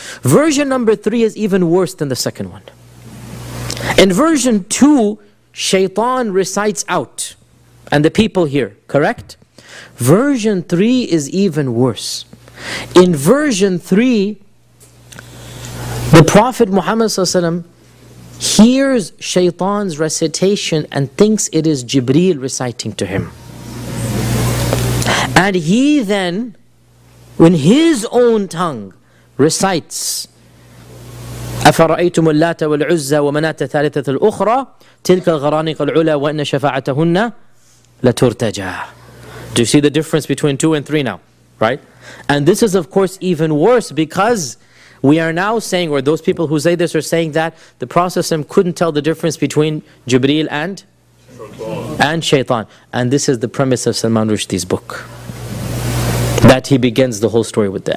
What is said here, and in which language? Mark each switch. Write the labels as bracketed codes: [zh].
[en] Version number three is even worse than the second one. In version two, Shaytan recites out, and the people hear, correct? Version three is even worse. In version three, the Prophet Muhammad hears Shaytan's recitation and thinks it is Jibreel reciting to him. And he then, in his own tongue, recites, [ar] أَفَرَأَيْتُمُ اللَّاتَ وَالْعُزَّى وَمَنَاتَ ثَالِثَةَ الْأُخْرَى تِلْكَ الْغَرَانِقَ الْعُلَى وَإِنَّ شَفَاعَتَهُنَّ لَتُرْتَجَى. [en] Do you see the difference between two and three now? Right? And this is of course even worse, because we are now saying, or those people who say this are saying, that the Prophet couldn't tell the difference between Jibreel and Shaytan. And this is the premise of Salman Rushdie's book, that he begins the whole story with that.